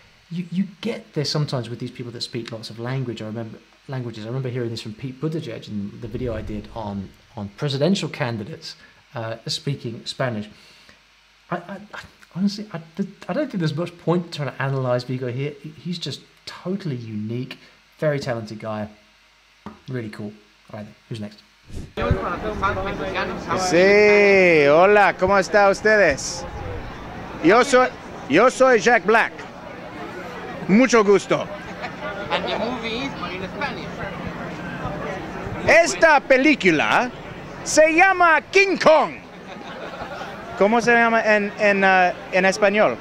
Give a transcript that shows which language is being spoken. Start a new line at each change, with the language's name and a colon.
English: You get this sometimes with these people that speak lots of languages. I remember hearing this from Pete Buttigieg in the video I did on presidential candidates speaking Spanish. I honestly don't think there's much point trying to analyze Vigo here. He's just totally unique, very talented guy, really cool. All right, who's next?
Spanish: Sí, hola, ¿cómo están ustedes? Yo soy Jack Black. Mucho gusto.
English: And the movie is in Spanish.
Spanish: Esta película se llama King Kong. ¿Cómo se llama en español?